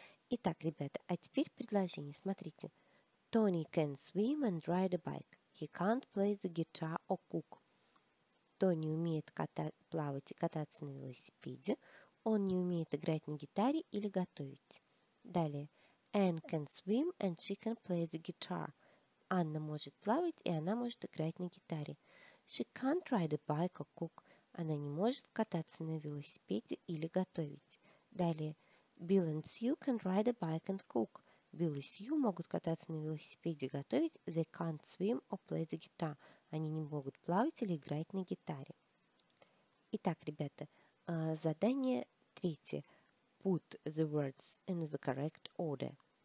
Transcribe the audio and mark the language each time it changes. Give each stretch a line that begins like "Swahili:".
Russian: Итак, ребята, а теперь предложение. Смотрите.
English: Tony can swim and ride a bike. He can't play the guitar or cook.
Russian: Tony умеет плавать и кататься на велосипеде. Он не умеет играть на гитаре или готовить. Далее.
English: Anne can swim and she can play the guitar.
Russian: Анна может плавать и она может играть на гитаре.
English: She can't ride a bike or cook.
Russian: Она не может кататься на велосипеде или готовить. Далее.
English: Bill and Sue can ride a bike and cook.
Russian: Bill и Sue могут кататься на велосипеде и готовить.
English: They can't swim or play the guitar.
Russian: Они не могут плавать или играть на гитаре. Итак, ребята, Задание третье.
English: Put the words in the correct order.